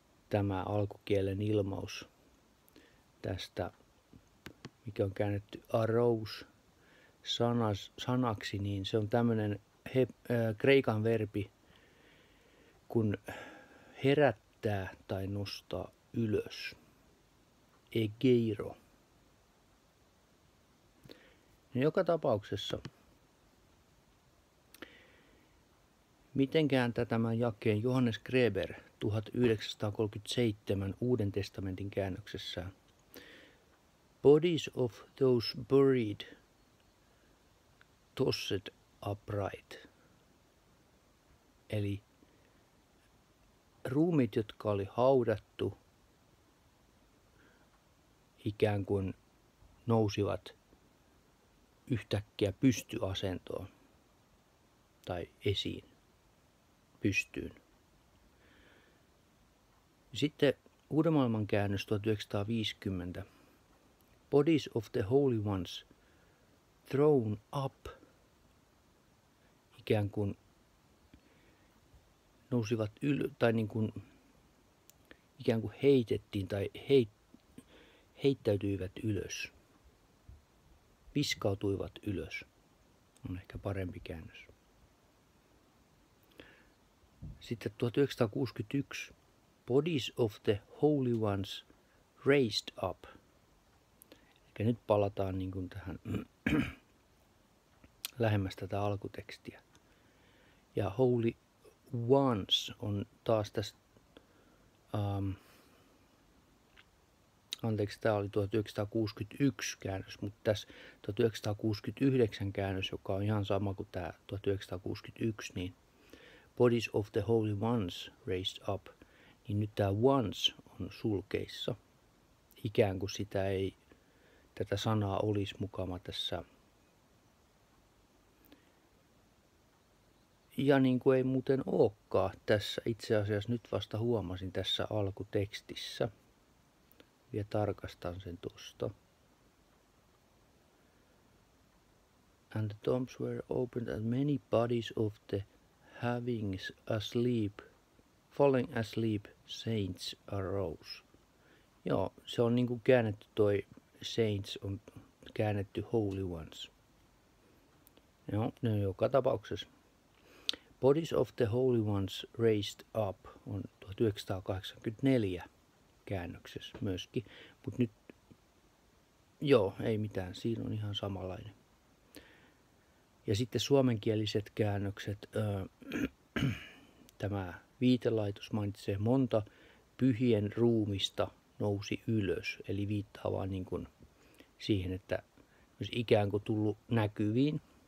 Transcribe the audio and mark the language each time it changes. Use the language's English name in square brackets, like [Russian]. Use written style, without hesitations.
[Finnish] Tämä alkukielen ilmaus tästä, mikä on käännetty arose sanaksi, niin se on tämmöinen kreikan verbi, kun herättää tai nostaa ylös. Egeiro. Joka tapauksessa, mitenkään tämän jakeen Johannes Greber 1937 Uuden testamentin käännöksessä. [English] Bodies of those buried tossed upright. [Finnish] Eli ruumit, jotka oli haudattu, ikään kuin nousivat yhtäkkiä pystyasentoon tai esiin pystyyn. Sitten Uuden maailman käännös 1950. [English] Bodies of the Holy Ones thrown up, [Finnish] ikään kuin nousivat tai niin kuin ikään kuin heitettiin tai heittäytyivät ylös, viskautuivat ylös, on ehkä parempi käännös. Sitten [English] 1961, Bodies of the Holy Ones raised up. [Finnish] Eli nyt palataan niin kuin tähän lähemmäs tätä alkutekstiä. Ja Holy Ones on taas tässä, tämä oli 1961 käännös, mutta tässä 1969 käännös, joka on ihan sama kuin tämä 1961, niin [English] Bodies of the Holy Ones raised up, [Finnish] niin nyt tämä ones on sulkeissa. Ikään kuin sitä ei, tätä sanaa olisi mukana tässä. Ja niin kuin ei muuten olekaan tässä, itse asiassa nyt vasta huomasin tässä alkutekstissä. Ja tarkastan sen tuosta. [English] And the tombs were opened and many bodies of the having asleep, falling asleep saints arose. [Finnish] Joo, se on niinku käännetty, toi saints on käännetty holy ones. Joo, no joka tapauksessa. [English] Bodies of the holy ones raised up on 1984. [Finnish] Käännöksessä myöskin, mutta nyt, joo, ei mitään, siinä on ihan samanlainen. Ja sitten suomenkieliset käännökset, tämä viitelaitos mainitsee monta pyhien ruumista nousi ylös, eli viittaa vaan niin kuin siihen, että myös ikään kuin tullut näkyviin.